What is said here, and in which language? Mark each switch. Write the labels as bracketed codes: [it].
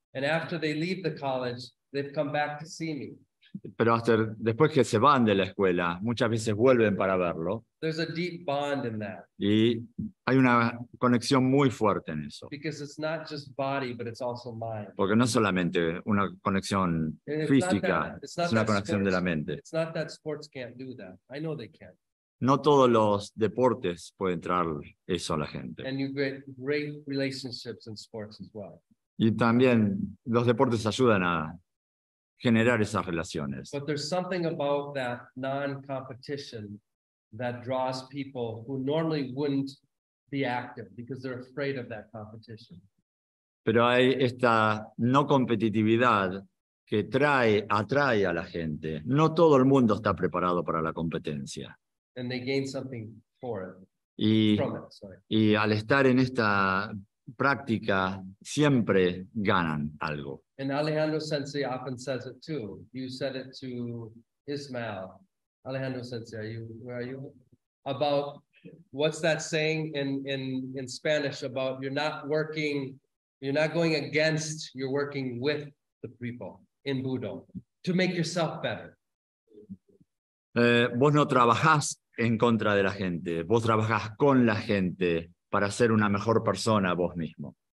[en] And after they leave the college, they've come back to see me. [es] Pero después que se van de la escuela, muchas veces vuelven para verlo. [en] There's a deep bond in that. [es] Y hay una conexión muy fuerte en eso. [en] Because it's not just body, but it's also mind. [es] Porque no solamente una conexión física, es una conexión de la mente. [en] It's not that sports can't do that. I know they can. [es] No todos los deportes pueden traer eso a la gente. [en] And you get great relationships in sports as well. [es] Y también los deportes ayudan a generar esas relaciones. [en] But there's something about that non-competition that draws people who normally wouldn't be active because they're afraid of that competition. [es] Pero hay esta no competitividad que atrae a la gente. No todo el mundo está preparado para la competencia. [en] And they gain something for it. [es] Y al estar en esta práctica siempre ganan algo. [en] And Alejandro Sensei often says it too. You said it to Ismael. Alejandro Sensei, where are you? About what's that saying in Spanish about you're not working, you're not going against, you're working with the people in Budo to make yourself better. [es] Vos no trabajás en contra de la gente, vos trabajás con la gente para ser una mejor persona vos mismo.